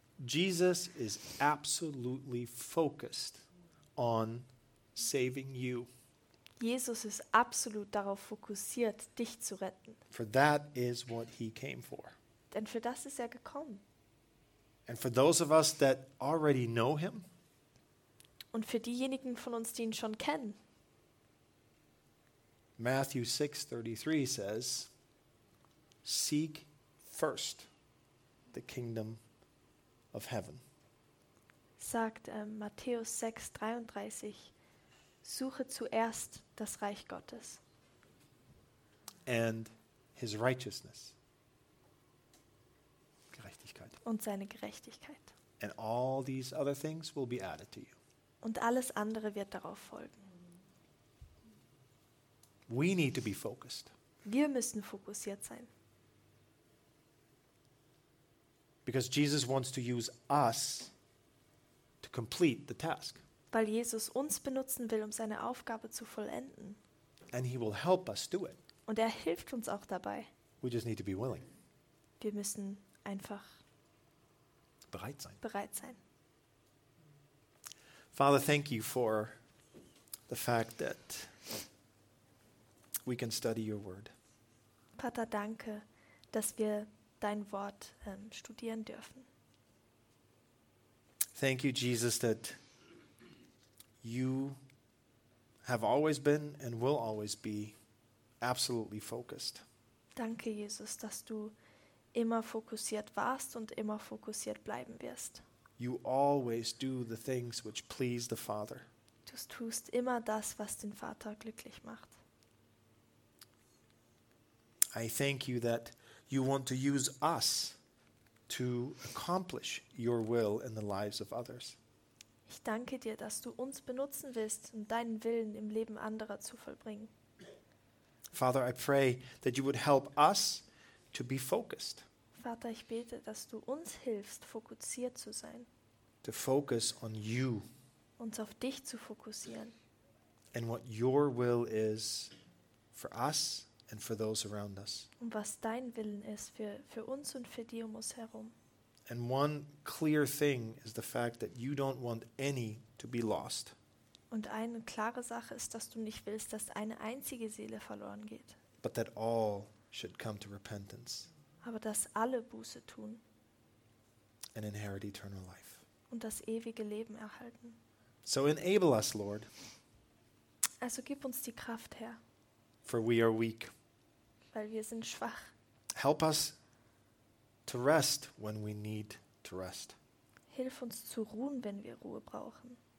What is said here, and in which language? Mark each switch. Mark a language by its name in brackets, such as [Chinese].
[English] Jesus is absolutely focused on saving you. [German] Jesus ist absolut darauf fokussiert, dich zu retten. [English] For that is what he came for. [German] Denn für das ist er gekommen. [English] And for those of us that already know him, [German] und für diejenigen von uns, die ihn schon kennen. [English] Matthew 6:33 says, seek first the kingdom of heaven. [German] Sagt Matthäus 6:33, suche zuerst das Reich Gottes. [English] And his righteousness. [German] Gerechtigkeit. Und seine Gerechtigkeit. [English] And all these other things will be added to you. [German] Und alles andere wird darauf folgen. [English] We need to be focused. [German] Wir müssen fokussiert sein. [English] Because Jesus wants to use us to complete the task. [German] Weil Jesus uns benutzen will, um seine Aufgabe zu vollenden. [English] And he will help us do it. [German] Und er hilft uns auch dabei. [English] We just need to be willing. [German] Wir müssen einfach bereit sein. Bereit sein. [English] Father, thank you for the fact that we can study your word. [German] Pater, danke, dass wir dein Wort studieren dürfen. [English] Thank you, Jesus, that you have always been and will always be absolutely focused. [German] Danke, Jesus, dass du immer fokussiert warst und immer fokussiert bleiben wirst. [English] You always do the things which please the Father. [German] Du tust immer das, was den Vater glücklich macht. [English] I thank you that you want to use us to accomplish your will in the lives of others. [German] Ich danke dir, dass du uns benutzen willst, um deinen Willen im Leben anderer zu vollbringen. [English] Father, I pray that you would help us to be focused. [German] Vater, ich bete, dass du uns hilfst, fokussiert zu sein. [English] To focus on you. [German] Uns auf dich zu fokussieren. [English] And what your will is for us and for those around us. [German] Und was dein Willen ist für uns und für die um uns herum. [English] And one clear thing is the fact that you don't want any to be lost. [German] Und eine klare Sache ist, dass du nicht willst, dass eine einzige Seele verloren geht. [English] But that all should come to repentance. [German] Aber dass alle Buße tun [English] and inherit eternal life. [German] Und das ewige Leben erhalten. [English] So enable us, Lord. [German] Also gib uns die Kraft, Herr. [English] For we are weak. [German] Weil wir sind schwach. [English] Help us to rest when we need to rest. [German] Hilf uns zu ruhen, wenn wir Ruhe brauchen.